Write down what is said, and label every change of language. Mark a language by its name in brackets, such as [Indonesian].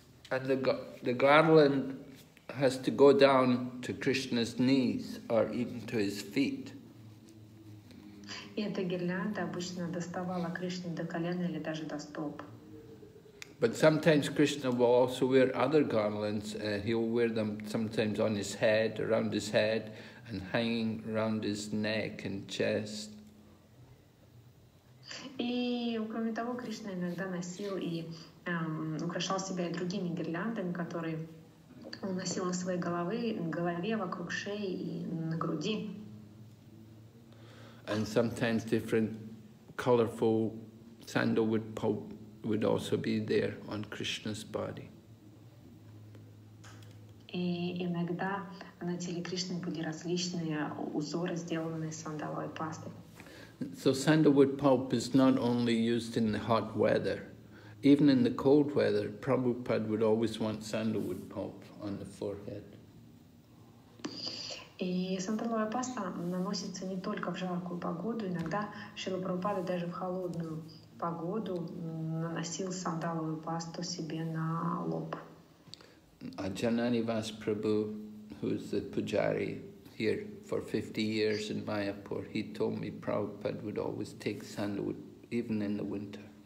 [English] And the garland has to go down to Krishna's knees or even to his feet. [Russian] И эта гирлянда обычно доставала Кришне до колена или даже до стоп. [English] But sometimes Krishna will also wear other garlands. He'll wear them sometimes on his head, around his head, and hanging around his neck and chest. [Russian] И кроме того, Кришна иногда носил и украшал себя и другими гирляндами, которые он носил на своей голове, вокруг шеи и на груди. [English] And sometimes different colorful sandalwood pulp would also be there on Krishna's body. [Russian] И иногда на теле Кришны были различные узоры, сделанные сандаловой пастой. [English] So sandalwood pulp is not only used in the hot weather, Even in the cold weather, Prabhupada would always want sandalwood pulp on the forehead. [Russian] И сандаловая паста наносится не только в жаркую погоду, иногда Шрила Прабхупада даже в холодную погоду наносил сандаловую пасту себе на лоб. [English] Аджананивас Прабху, who is the pujari here for 50 years in Mayapur, he told me Prabhupada would always take sandalwood even in the winter.